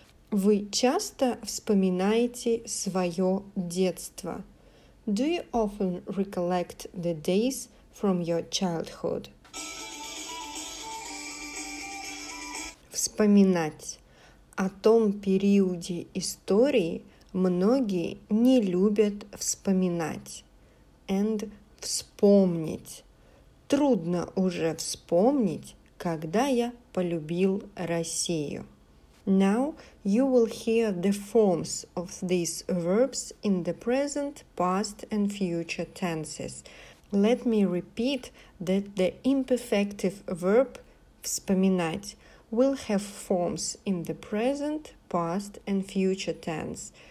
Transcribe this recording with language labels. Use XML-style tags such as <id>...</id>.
<ru>Вы часто вспоминаете свое детство?</ru> <en>Do you often recollect the days from your childhood?</en> <ru>Вспоминать. О том периоде истории многие не любят вспоминать. And вспомнить. Трудно уже вспомнить, когда я полюбил Россию.</ru> <en>Now you will hear the forms of these verbs in the present, past and future tenses. Let me repeat that the imperfective verb вспоминать will have forms in the present, past and future tense.</en>